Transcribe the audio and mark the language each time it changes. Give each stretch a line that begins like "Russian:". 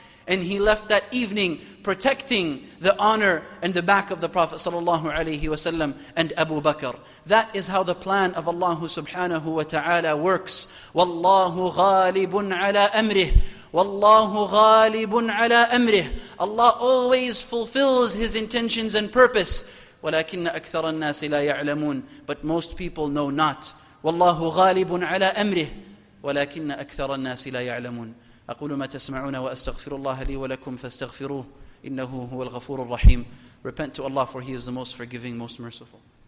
English: And he left that evening protecting the honor and the back of the Prophet sallallahu alayhi wa sallam and Abu Bakr. That is how the plan of Allah subhanahu wa ta'ala works.
Arabic: Wallahu ghalibun ala amrih. Wallahu ghalibun ala amrih.
English: Allah always fulfills His intentions and purpose.
Arabic: ولكن أكثر الناس لا يعلمون.
English: But most people know not.
Arabic: والله غالب على أمره ولكن أكثر الناس لا يعلمون. أقول ما تسمعون وأستغفر الله لي ولكم فاستغفروه إنه هو الغفور الرحيم.
English: Repent to Allah, for He is the most forgiving, most merciful.